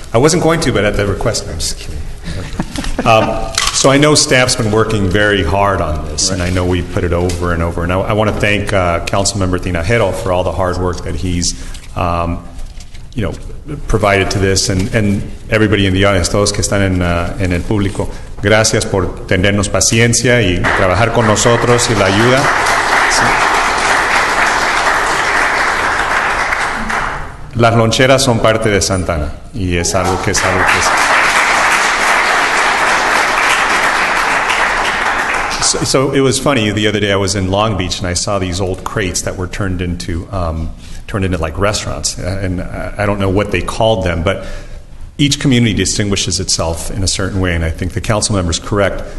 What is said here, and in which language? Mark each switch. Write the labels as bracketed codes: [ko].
[en] I wasn't going to, but at the request, I'm just kidding. So I know staff's been working very hard on this, right. And I know we've put it over and over. And I want to thank Councilmember Tinajero for all the hard work that he's provided to this, and everybody in the audience, [es] todos que están en el público. Gracias por tenernos paciencia y trabajar con nosotros y la ayuda. Sí. Las loncheras son parte de Santa Ana, y es algo que es algo que es. [en] So it was funny, the other day I was in Long Beach and I saw these old crates that were turned into like restaurants, and I don't know what they called them, but each community distinguishes itself in a certain way, and I think the council member's correct.